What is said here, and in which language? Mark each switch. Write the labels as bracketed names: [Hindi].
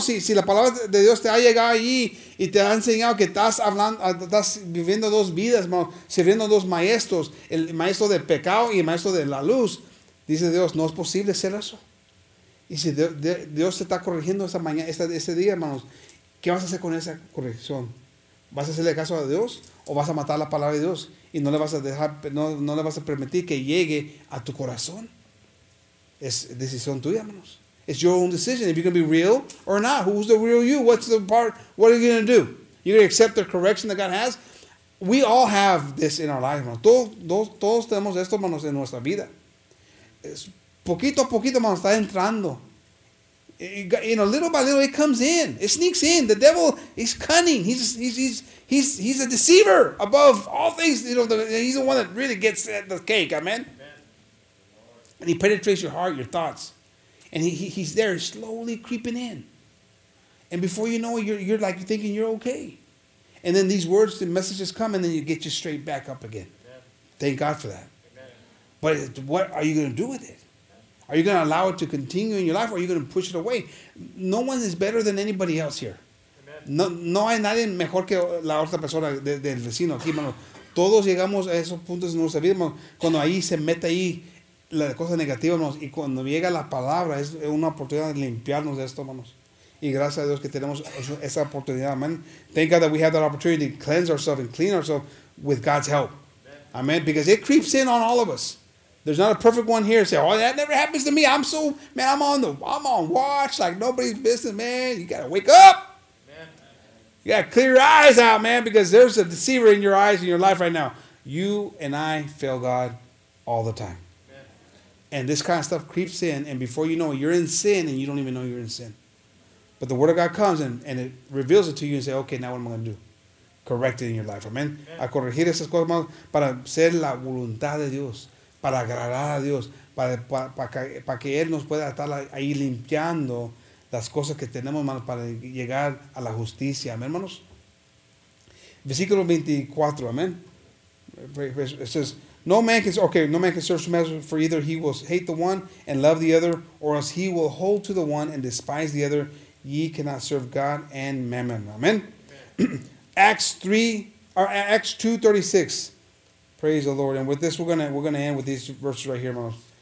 [Spanish] Si la palabra de Dios te ha llegado ahí y te ha enseñado que estás hablando, estás viviendo dos vidas, hermano, sirviendo dos maestros, el maestro del pecado y el maestro de la luz, dice Dios, no es posible ser eso. Y si Dios te está corrigiendo esta mañana, este día, hermanos, ¿qué vas a hacer con esa corrección? ¿Vas a hacerle caso a Dios o vas a matar la palabra de Dios y no le vas a dejar, no le vas a permitir que llegue a tu corazón? Es decisión tuya, hermanos. [English] It's your own decision if you're going to be real or not. Who's the real you? What's the part? What are you going to do? You're going to accept the correction that God has? We all have this in our lives, hermanos. [Spanish] Todos tenemos esto, hermanos, en nuestra vida. Poquito a poquito, hermanos, está entrando. [English] You know, little by little, it comes in. It sneaks in. The devil is cunning. He's a deceiver above all things. You know, he's the one that really gets the cake. Amen. And he penetrates your heart, your thoughts, and he's there, slowly creeping in. And before you know it, you're like you're thinking you're okay, and then these words, the messages come, and then you get you straight back up again. Amen. Thank God for that. Amen. But what are you going to do with it? Are you going to allow it to continue in your life, or are you going to push it away? No one is better than anybody else here. Amen. [Spanish] No hay nadie mejor que la otra persona del vecino aquí, hermano. Todos llegamos a esos puntos en nuestra vida, hermano, cuando ahí se mete ahí la cosa negativa, hermanos, y cuando llega la palabra, es una oportunidad de limpiarnos de esto, hermanos. Y gracias a Dios que tenemos esa oportunidad, amen. [English] Thank God that we have that opportunity to cleanse ourselves and clean ourselves with God's help. Amen. Because it creeps in on all of us. There's not a perfect one here. Say, oh, that never happens to me. I'm on watch like nobody's business, man. You got to wake up. Amen. You got to clear your eyes out, man, because there's a deceiver in your eyes, in your life right now. You and I fail God all the time. And this kind of stuff creeps in, and before you know it, you're in sin, and you don't even know you're in sin. But the Word of God comes, and it reveals it to you, and say, okay, now what am I going to do? Correct it in your life. Amen. [Spanish] A corregir esas cosas, hermanos, para hacer la voluntad de Dios, para agradar a Dios, para que Él nos pueda estar ahí limpiando las cosas que tenemos, hermanos, para llegar a la justicia. Amen, hermanos. Versículo 24, amen. [English] It says, No man can serve two masters, for either he will hate the one and love the other, or else he will hold to the one and despise the other. Ye cannot serve God and mammon. Amen. Acts 2:36. Praise the Lord. And with this, we're gonna end with these verses right here, hermanos.